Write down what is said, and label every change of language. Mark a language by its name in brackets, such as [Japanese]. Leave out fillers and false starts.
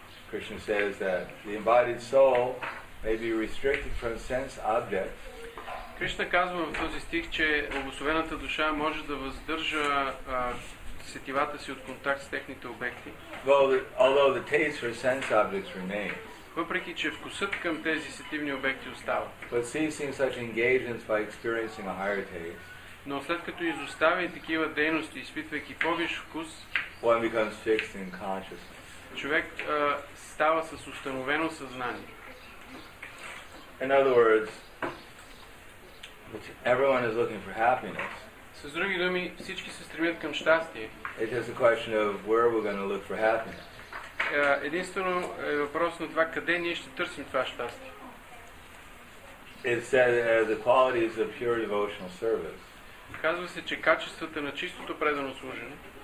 [English] Krishna says that the embodied soul may be restricted from sense objects. [Bulgarian] Krishna казва в този стих, че обусловената душа може да въздържа сетивата си от контакт с техните обекти. [English] Although the taste for sense objects remains. [Bulgarian] Въпреки че вкусът към тези сетивни обекти остава. [English] But ceasing such engagements by experiencing a higher taste. [Bulgarian] Но след като изостави такива дейности, изпитвайки по-виш вкус, [English] one becomes fixed in consciousness. [Bulgarian] Човек става с установено съзнание. [English] In other words, everyone is looking for happiness. [Bulgarian] С други думи, всички се стремят към щастие. [English] It is a question of where we're going to look for happiness. [Bulgarian] Единствено е въпрос на това къде ние ще търсим това щастие. [English] It said the qualities of pure devotional service. [Bulgarian] Казва се, че качествата на чистото предано служене.